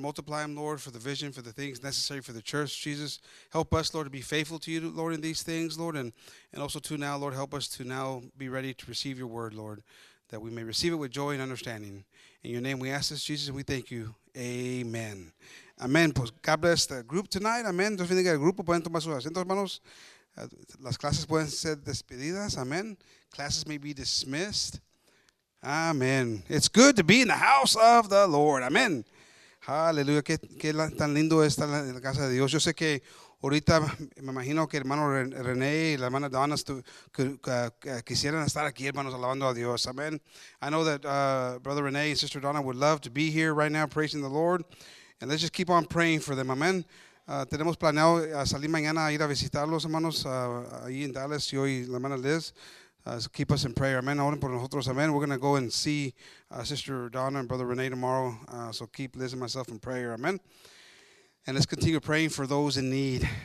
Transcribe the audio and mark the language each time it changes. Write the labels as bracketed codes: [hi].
[en] Multiply them, Lord, for the vision, for the things necessary for the church, Jesus. Help us, Lord, to be faithful to you, Lord, in these things, Lord. And also, too, now, Lord, help us to now be ready to receive your word, Lord, that we may receive it with joy and understanding. In your name we ask this, Jesus, and we thank you. Amen. Amen. Pues God bless the group tonight. Amen. [es] Entonces, fíjense que el grupo pueden tomar sus asientos, hermanos. Las clases pueden ser despedidas. Amen. [en] Classes may be dismissed. [es] Amen. [en] It's good to be in the house of the Lord. Amen. Hallelujah. [es] Qué tan lindo está en la casa de Dios. Yo sé que ahorita me imagino que hermano René y la hermana Donna quisieran estar aquí, hermanos, alabando a Dios. [en] Amen. I know that Brother René and Sister Donna would love to be here right now praising the Lord. And let's just keep on praying for them. Amen. [es] Tenemos planeado salir mañana a ir a visitarlos, hermanos, ahí en Dallas, yo y la hermana Liz. [en] So keep us in prayer. Amen. [es] Oren por nosotros. [en] Amen. We're going to go and see Sister Donna and Brother René tomorrow. So keep Liz and myself in prayer. Amen. And let's continue praying for those in need.